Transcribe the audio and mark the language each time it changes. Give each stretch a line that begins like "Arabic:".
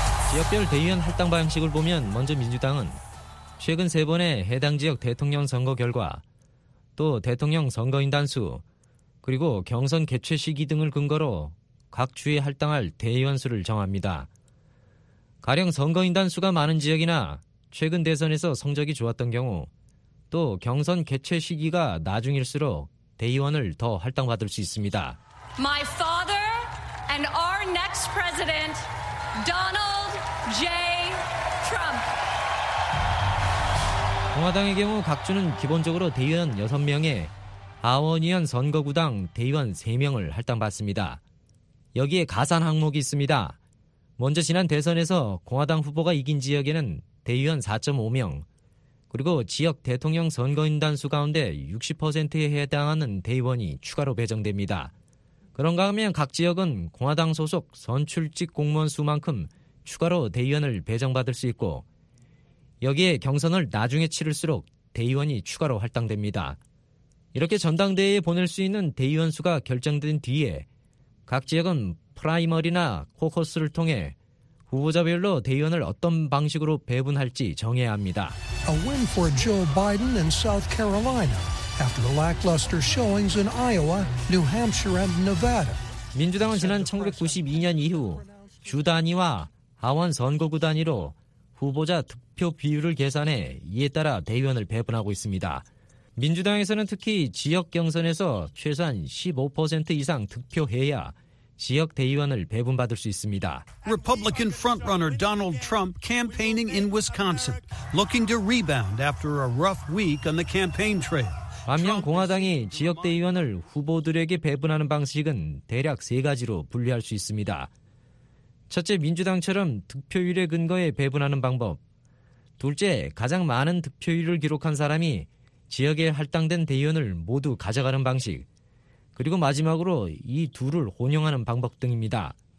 Korean: 지역별 대의원 할당 방식을 보면 먼저 민주당은 최근 세 번의 해당 지역 대통령 선거 결과 또 대통령 선거인단 수 그리고 경선 개최 시기 등을 근거로 각 주에 할당할 대의원 수를 정합니다. 가령 선거인단 수가 많은 지역이나 최근 대선에서 성적이 좋았던 경우 또 경선 개최 시기가 나중일수록 대의원을 더 할당받을 수 있습니다.
English: My father and our next president, Donald J. Trump.
Korean: 공화당의 경우 각 주는 기본적으로 대의원 6명에 하원의원 선거구당 대의원 3명을 할당받습니다. 여기에 가산 항목이 있습니다. 먼저 지난 대선에서 공화당 후보가 이긴 지역에는 대의원 4.5명, 그리고 지역 대통령 선거인단 수 가운데 60%에 해당하는 대의원이 추가로 배정됩니다. 그런가 하면 각 지역은 공화당 소속 선출직 공무원 수만큼 추가로 대의원을 배정받을 수 있고, 여기에 경선을 나중에 치를수록 대의원이 추가로 할당됩니다. 이렇게 전당대회에 보낼 수 있는 대의원 수가 결정된 뒤에 각 지역은 프라이머리나 코커스를 통해 후보자별로 대의원을 어떤 방식으로 배분할지 정해야 합니다.
English: A win for Joe Biden in South Carolina after the lackluster showings in Iowa, New Hampshire and Nevada.
Korean: 민주당은 지난 1992년 이후 주 단위와 하원 선거구 단위로 후보자 득표 비율을 계산해 이에 따라 대의원을 배분하고 있습니다. 민주당에서는 특히 지역 경선에서 최소한 15% 이상 득표해야 지역 대의원을 배분받을 수 있습니다.
English: Republican frontrunner Donald Trump campaigning in Wisconsin, looking to rebound after a rough week on the campaign trail.
Korean: 반면 공화당이 지역 대의원을 후보들에게 배분하는 방식은 대략 세 가지로 분류할 수 있습니다. 첫째, 민주당처럼 득표율에 근거해 배분하는 방법. 둘째, 가장 많은 득표율을 기록한 사람이 지역에 할당된 대의원을 모두 가져가는 방식, 그리고 마지막으로 이 둘을 혼용하는 방법 등입니다.